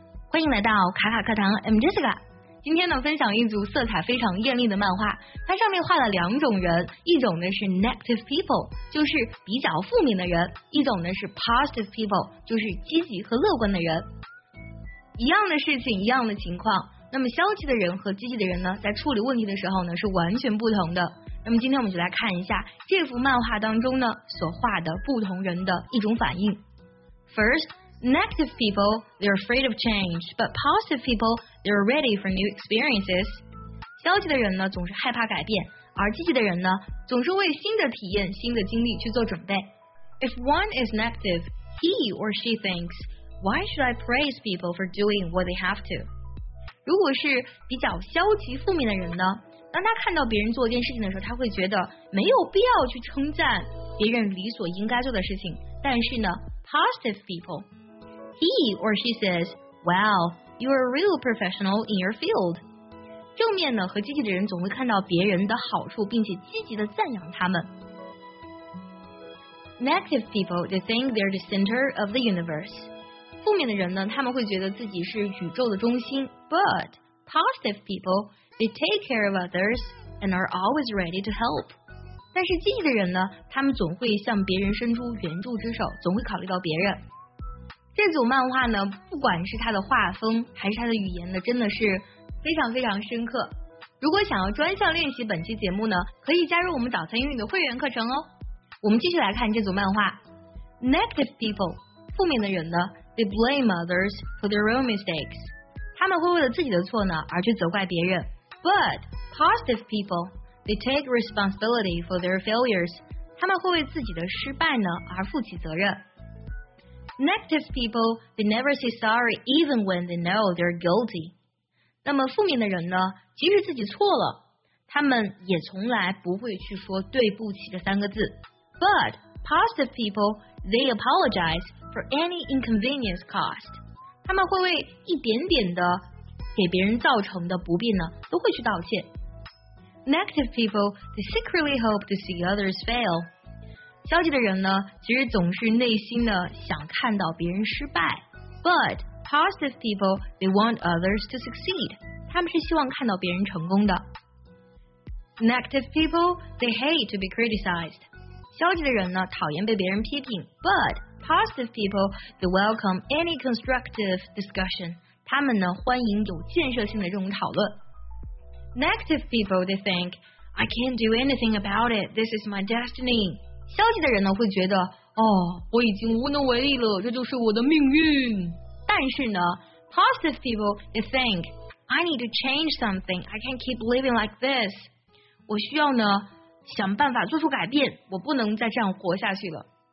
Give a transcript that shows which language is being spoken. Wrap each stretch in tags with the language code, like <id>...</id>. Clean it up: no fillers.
<zh>欢迎来到卡卡课堂 ，</zh> <en>I'm Jessica。</en> <zh>今天呢，分享一组色彩非常艳丽的漫画，它上面画了两种人，一种呢是</zh> <en>negative people，</en> <zh>就是比较负面的人；一种呢是</zh> <en>positive people，</en> <zh>就是积极和乐观的人。一样的事情，一样的情况，那么消极的人和积极的人呢，在处理问题的时候呢，是完全不同的。那么今天我们就来看一下这幅漫画当中呢，所画的不同人的一种反应。</zh> <en>First,Negative people, they're afraid of change, but positive people, they're ready for new experiences.</en> <zh>消极的人呢，总是害怕改变，而积极的人呢，总是为新的体验、新的经历去做准备。</zh> <en>If one is negative, he or she thinks, why should I praise people for doing what they have to?</en> <zh>如果是比较消极负面的人呢，当他看到别人做一件事情的时候，他会觉得没有必要去称赞别人理所应该做的事情。但是呢，</zh> <en>positive people,He or she says, wow, you are a real professional in your field.</en> <zh>正面呢和积极的人总会看到别人的好处并且积极地赞扬他们。</zh> <en>Negative people, they think they're the center of the universe.</en> <zh>负面的人呢他们会觉得自己是宇宙的中心。</zh> <en>But positive people, they take care of others and are always ready to help.</en> <zh>但是积极的人呢他们总会向别人伸出援助之手总会考虑到别人。这组漫画呢不管是它的画风还是它的语言呢真的是非常非常深刻。如果想要专项练习本期节目呢可以加入我们早餐英语的会员课程哦。我们继续来看这组漫画。</zh> <en>Negative people,</en> <zh>负面的人呢</zh> <en>they blame others for their own mistakes.</en> <zh>他们会为了自己的错呢而去责怪别人。</zh> <en>But, positive people, they take responsibility for their failures.</en> <zh>他们会为自己的失败呢而负起责任。</zh> <en>Negative people, they never say sorry even when they know they're guilty.</en> <zh>那么负面的人呢，即使自己错了，他们也从来不会去说对不起这三个字。</zh> <en>But positive people, they apologize for any inconvenience caused.</en> <zh>他们会为一点点的给别人造成的不便呢，都会去道歉。</zh> <en>Negative people, they secretly hope to see others fail.</en> <zh>消极的人呢其实总是内心的想看到别人失败。</zh> <en>But, positive people, they want others to succeed.</en> <zh>他们是希望看到别人成功的。</zh> <en>Negative people, they hate to be criticized.</en> <zh>消极的人呢讨厌被别人批评。</zh> <en>But, positive people, they welcome any constructive discussion.</en> <zh>他们呢欢迎有建设性的这种讨论。</zh> <en>Negative people, they think, I can't do anything about it. This is my destiny.</en> <zh>消极的人呢会觉得哦我已经无能为力了这就是我的命运。但是呢</zh> <en>positive people they think, I need to change something, I can't keep living like this.</en> <zh>我需要呢想办法做出改变我不能再这样活下去了。</zh>